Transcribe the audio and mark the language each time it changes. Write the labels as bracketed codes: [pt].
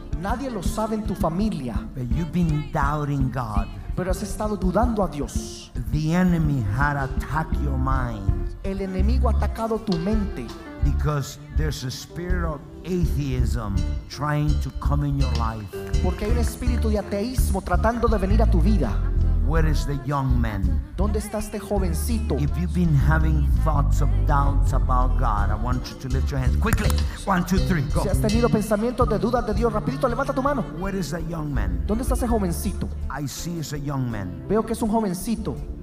[es] Nadie lo sabe en tu familia. [en] But you've been doubting God. [es] Pero has estado dudando a Dios. [en] The enemy had attacked your mind. [es] El enemigo ha atacado tu mente. [en] Because there's a spirit of atheism trying to come in your life. [es] Porque hay un espíritu de ateísmo tratando de venir a tu vida. [en] Where is the young man? [es] ¿Dónde está este jovencito? [en] If you've been having thoughts of doubts about God, I want you to lift your hands quickly. 1, 2, 3, go. [es] Si has tenido pensamientos de dudas de Dios, rapidito, levanta tu mano. [en] Where is the young man? [es] ¿Dónde está ese jovencito? [en] I see it's a young man. [es] Veo que es un jovencito.